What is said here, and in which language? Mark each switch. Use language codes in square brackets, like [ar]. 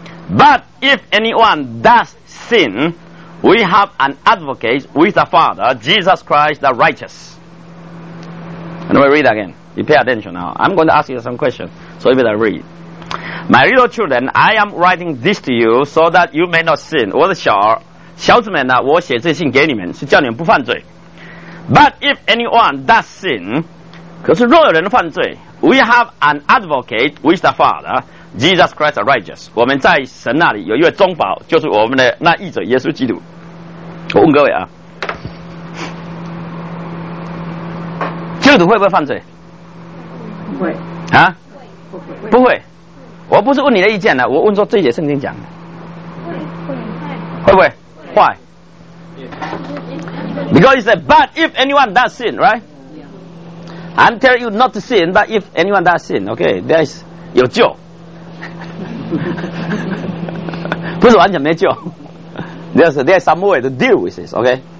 [en] But if anyone does sin, we have an advocate with the Father, Jesus Christ the righteous. Let me read again. You pay attention now. I'm going to ask you some questions, so you better read. My little children, I am writing this to you so that you may not sin. [zh] 我的小子们呢, 我写这信给你们, 是叫你们不犯罪。 [en] But if anyone does sin, [zh] 可是若有人犯罪, [en] we have an advocate with the Father, Jesus Christ the righteous. [zh] 我们在神那里有一位宗保, 就是我们的那义者耶稣基督。我问各位啊, 基督徒会不会犯罪? 会。啊? 会。不会。我不是问你的意见了，我问说这节圣经讲的，会不会？会。 [en] Because he said, but if anyone does sin, right? I'm telling you not to sin, but if anyone does sin, okay, there is [zh] 有救。不是完全没救。 [en] there's some way to deal with this, okay?